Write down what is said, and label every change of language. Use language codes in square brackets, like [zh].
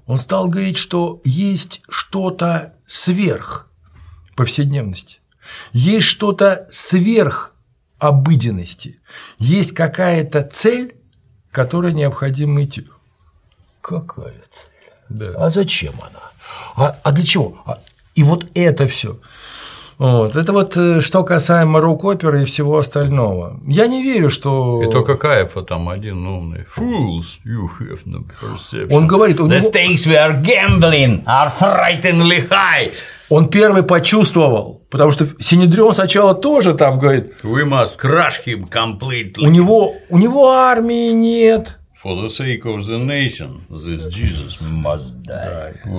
[ru] Он стал говорить, что есть что-то сверх повседневности, есть что-то сверх обыденности, есть какая-то цель, к которой необходимо идти. Какая цель? Да. А зачем она? А для чего? И вот это все. Вот. Это вот что касаемо рок-оперы и всего остального. Я не верю, что… И только Кайфа там один умный. [en] Fools, you have no perception. [ru] Он говорит… [en] The stakes we are gambling are frighteningly high. [ru] Он первый почувствовал, потому что Синедрион сначала тоже там говорит… [en] We must crush him completely. [ru] У него армии нет. [en] For the sake of the nation, this Jesus must die.